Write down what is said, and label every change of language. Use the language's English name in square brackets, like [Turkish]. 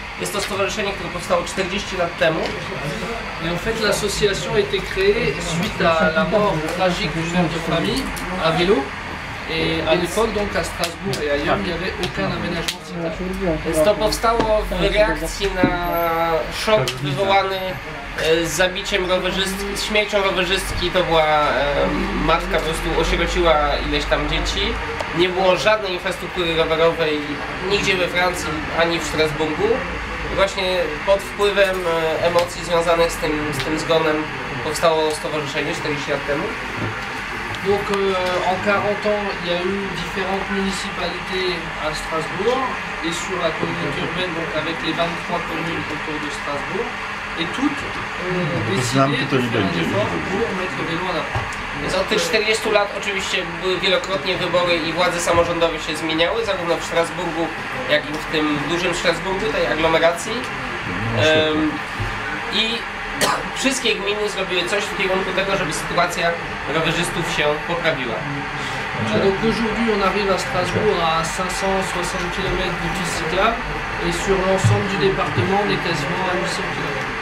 [Polish] Jest to stowarzyszenie, które powstało 40 lat temu. [French] Et en fait l'association a été créée suite à la mort tragique d'une de famille à vélo. Et à l'époque donc à Strasbourg et ailleurs il n'y avait aucun aménagement. [Polish] To powstało w reakcji na szok wywołany zabiciem rowerzystki, śmiercią rowerzystki. To była matka, po prostu osierociła ileś tam dzieci. Nie było żadnej infrastruktury rowerowej nigdzie we Francji ani w Strasburgu. Właśnie pod wpływem emocji związanych z tym zgonem powstało stowarzyszenie 40 lat temu. [French] Donc en 40 ans, il y a eu différentes municipalités à Strasbourg et sur la communauté urbaine, donc avec les 23 communes autour de Strasbourg, et toutes ont décidé de faire un effort pour mettre le vélo en avant. [Polish] Więc od tych 40 lat oczywiście były wielokrotnie wybory i władze samorządowe się zmieniały, zarówno w Strasburgu, jak i w tym dużym Strasburgu, tej aglomeracji. I wszystkie gminy zrobiły coś w kierunku tego, żeby sytuacja rowerzystów się poprawiła. [French] A donc aujourd'hui on arrive à Strasbourg à 560 km de piste cyclable et sur l'ensemble du département on est quasiment à 800 km.